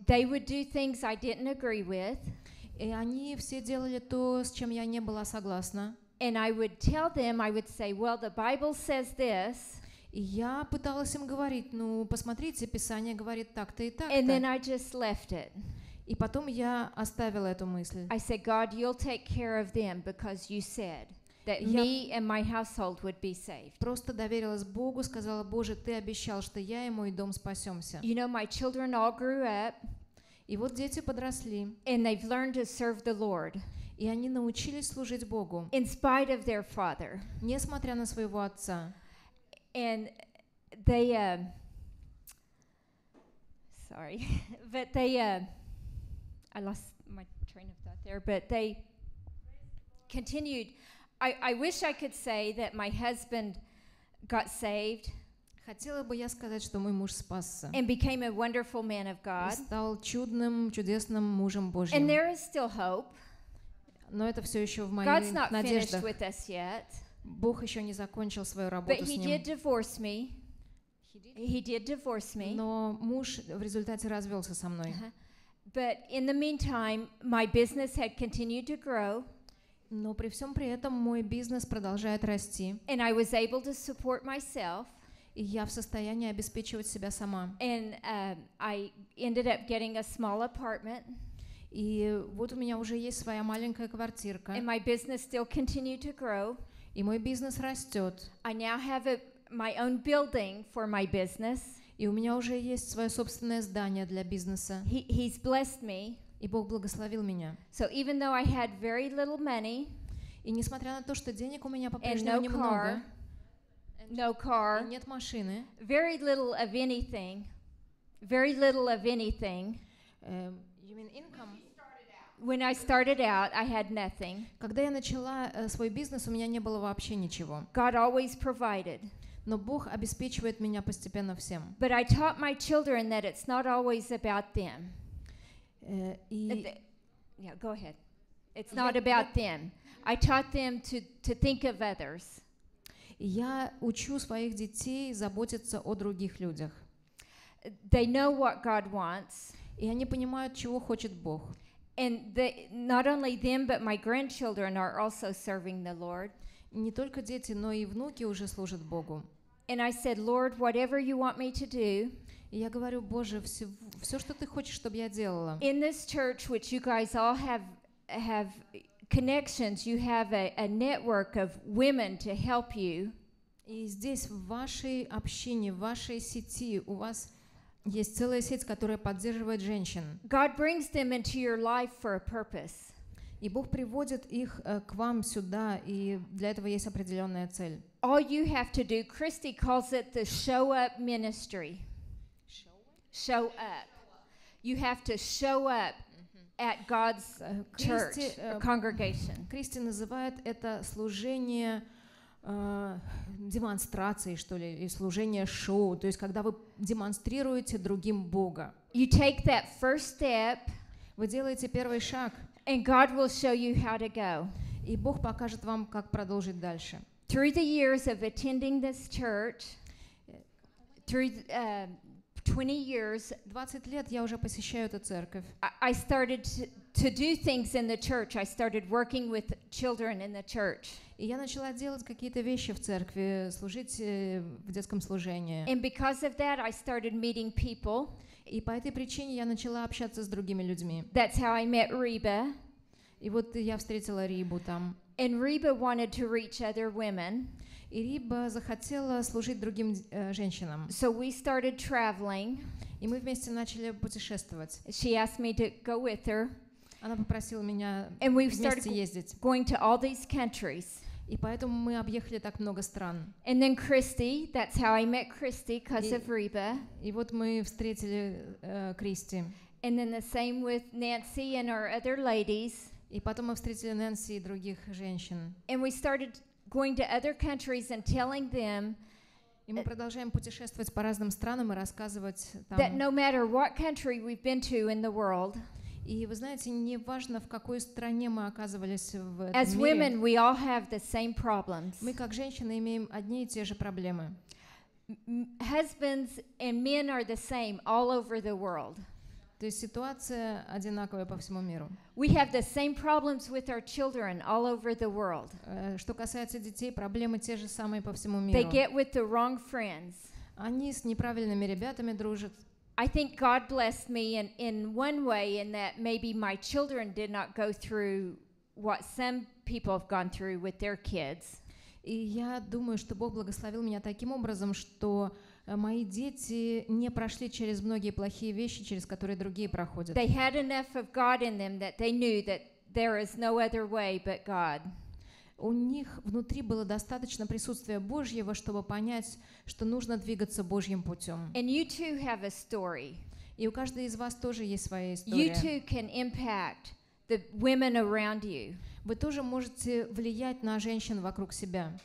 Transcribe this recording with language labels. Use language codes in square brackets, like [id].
[en] They would do things I didn't agree with. [ru] И они все делали то, с чем я не была согласна. [en] And I would tell them, I would say, well, the Bible says this. [ru] И я пыталась им говорить, ну, посмотрите, Писание говорит так-то и так-то. [en] And then I just left it. [ru] И потом я оставила эту мысль. [en] I said, God, you'll take care of them because you said that me and my household would be saved. [ru] Просто доверилась Богу, сказала: Боже, ты обещал, что я и мой дом спасемся. [en] You know, my children all grew up. [ru] И вот дети подросли. [en] And they've learned to serve the Lord. [ru] И они научились служить Богу. [en] In spite of their father. [ru] Несмотря на своего отца. [en] And they sorry. But they, I lost my train of thought there, but they continued. I wish I could say that my husband got saved. [ru] Хотела бы я сказать, что мой муж спасся. [en] And became a wonderful man of God. [ru] И стал чудным, чудесным мужем Божьим. [en] And there is still hope. [ru] Но это все еще в моих [en] God's not [ru] надеждах. [en] Finished with us yet. [ru] Бог еще не закончил свою работу [en] But [ru] с ним. [en] But he did divorce me. He did divorce me. [ru] Но муж в результате развелся со мной. [en] But in the meantime, my business had continued to grow. [ru] Но при всем при этом мой бизнес продолжает расти. [en] And I was able to support myself. [ru] И я в состоянии обеспечивать себя сама. [en] And I ended up getting a small apartment. [ru] И вот у меня уже есть своя маленькая квартирка. [en] And my business still continued to grow. [ru] И мой бизнес растет. [en] I now have my own building for my business. [ru] И у меня уже есть свое собственное здание для бизнеса. [en] He's blessed me. [ru] И Бог благословил меня. [en] So even though I had very little money, [ru] и несмотря на то, что денег у меня по-прежнему немного, [en] no car, [ru] и нет машины, [en] very little of anything, very little of anything. You mean income? When I started out, I had nothing. [ru] Когда я начала свой бизнес, у меня не было вообще ничего. [en] God always provided. [ru] Но Бог обеспечивает меня постепенно всем. [en] But I taught my children that it's not always about them. Yeah, go ahead. It's not about them. I taught them to think of others. [ru] Я учу своих детей заботиться о других людях. [en] They know what God wants. [ru] И они понимают, чего хочет Бог. [en] And they, not only them, but my grandchildren are also serving the Lord. [ru] Не только дети, но и внуки уже служат Богу. [en] And I said, Lord, whatever you want me to do. [ru] Я говорю, Боже, все, что ты хочешь, чтобы я делала. [en] In this church, which you guys all have connections, you have a network of women to help you. [ru] И здесь в вашей общине, в вашей сети, у вас есть целая сеть, которая поддерживает женщин. [en] God brings them into your life for a purpose. [ru] И Бог приводит их к вам сюда, и для этого есть определенная цель. [en] All you have to do, Christy calls it the show up ministry. Show up. You have to show up at God's church or congregation. [ru] Christy называет это служение демонстрации, что ли, и служение шоу, то есть когда вы демонстрируете другим Бога. [en] You take that first step, [ru] вы делаете первый шаг, [en] and God will show you how to go. [ru] И Бог покажет вам, как продолжить дальше. [en] Through the years of attending this church, through 20 years, [ru] 20 лет я уже посещаю эту церковь. [en] I started to do things in the church. I started working with children in the church. [ru] И я начала делать какие-то вещи в церкви, служить в детском служении. [en] And because of that, I started meeting people. [ru] И по этой причине я начала общаться с другими людьми. [en] That's how I met Reba. [ru] И вот я встретила Рибу там. [en] And Reba wanted to reach other women. [ru] И Риба захотела служить другим женщинам. [en] So we started traveling. [ru] И мы вместе начали путешествовать. [en] She asked me to go with her. [ru] Она попросила меня вместе ездить. [en] And going to all these countries. [ru] И поэтому мы объехали так много стран. [en] And then Christy, that's how I met Christy, because of Reba. [ru] И вот мы встретили Кристи. [en] And then the same with Nancy and our other ladies. [ru] И потом мы встретили Нэнси и других женщин. [en] And we started going to other countries and telling them. [ru] И мы продолжаем путешествовать по разным странам и рассказывать там. [en] That no matter what country we've been to in the world. [ru] И вы знаете, не важно в какой стране мы оказывались в этом [en] As [ru] мире, [en] women, we all have the same problems. [ru] Мы как женщины имеем одни и те же проблемы. [en] Husbands and men are the same all over the world. [ru] То есть ситуация одинаковая по всему миру. [en] We have the same problems with our children all over the world. [ru] Что касается детей, проблемы те же самые по всему миру. [en] They get with the wrong friends. [ru] Они с неправильными ребятами дружат. [en] I think God blessed me in one way in that maybe my children did not go through what some people have gone through with their kids. [ru] И я думаю, что Бог благословил меня таким образом, что мои дети не прошли через многие плохие вещи, через которые другие проходят. [en] They had enough of God in them that they knew that there is no other way but God. [ru] У них внутри было достаточно присутствия Божьего, чтобы понять, что нужно двигаться Божьим путем. [en] And you too have a story. [ru] И у каждой из вас тоже есть своя история. [en] You too can impact the women around you. [ru] Вы тоже можете влиять на женщин вокруг себя.